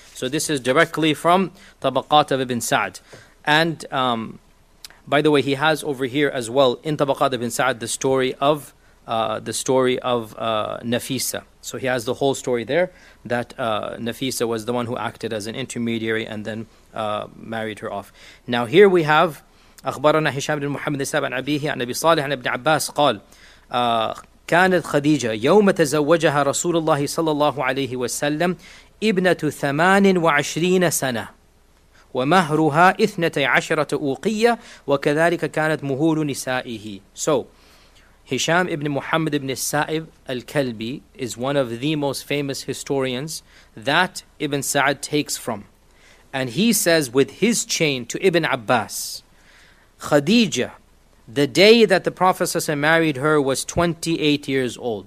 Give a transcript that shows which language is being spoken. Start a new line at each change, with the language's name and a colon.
English: So this is directly from Tabaqat of Ibn Sa'd. And by the way, he has over here as well in Tabaqat Ibn Sa'd the story of Nafisa. So he has the whole story there, that Nafisa was the one who acted as an intermediary and then married her off.
Arabic: Now here we have أخبرنا هشام بن محمد سبع عن أبيه عن أبي صالح عن ابن عباس قال كانت خديجة يوم تزوجها رسول الله صلى الله عليه وسلم ابنة 28 سنة ومهرها 12 أوقية وكذلك كانت مهور نسائه.
English: So Hisham ibn Muhammad ibn Sa'ib al-Kalbi is one of the most famous historians that Ibn Sa'd takes from. And he says with his chain to Ibn Abbas, Khadija, the day that the Prophet ﷺ married her was 28 years old.